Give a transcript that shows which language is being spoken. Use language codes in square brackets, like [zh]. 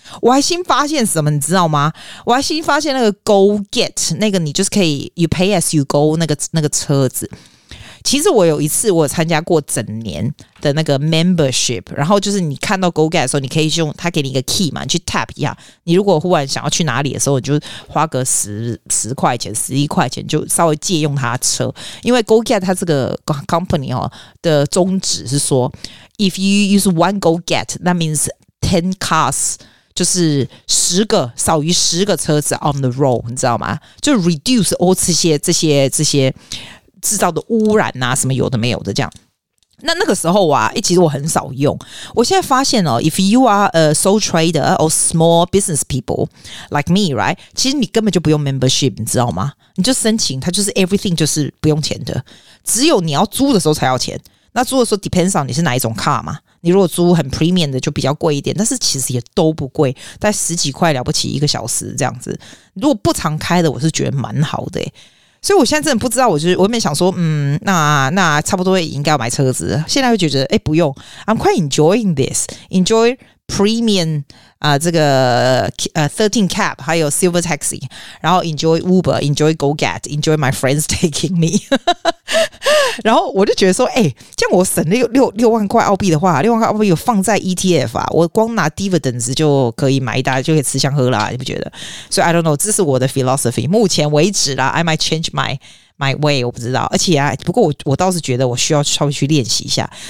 [zh] 我还新发现什么你知道吗？我还新发现那个 Go Get 那个，你就是可以 You pay as you go 那个车子，其实我有一次我有参加过整年的那个 membership， 然后就是你看到 Go Get 的时候，你可以用他给你一个 key 嘛，你去 tap 一下，你如果忽然想要去哪里的时候，你就花个10块钱11块钱就稍微借用他的车。因为 Go Get 他这个 company、哦、的宗旨是说 [en] If you use one Go Get that means 10 cars， [zh] 就是少于十个车子 on the road， 你知道吗？就 reduce all 这些制造的污染啊，什么有的没有的这样。那个时候啊，其实我很少用。我现在发现哦 [en] ，if you are a sole trader or small business people like me， right？ [zh] 其实你根本就不用 membership， 你知道吗？你就申请，它就是 everything 就是不用钱的，只有你要租的时候才要钱。那租的时候 depends on 你是哪一种 car 嘛。你如果租很 premium 的就比较贵一点，但是其实也都不贵，大概10几块了不起一个小时这样子。如果不常开的，我是觉得蛮好的、欸。所以我现在真的不知道，我就是我没想说，那差不多也应该要买车子。现在就觉得，不用 [en] ，I'm quite enjoying this， enjoy premium 啊、这个13 cab 还有 silver taxi， 然后 enjoy Uber， enjoy Go Get， enjoy my friends taking me 。 [zh] 然后我就觉得说，这样我省了6万块澳币的话，6万块澳币有放在 ETF 啊，我光拿 dividends 就可以买一大，就可以吃香喝辣，你不觉得？所以 I don't know， 这是我的 philosophy， 目前为止啦 ， [en] I might change my way， [zh] 我不知道。而且啊，不过我倒是觉得我需要稍微去练习一下。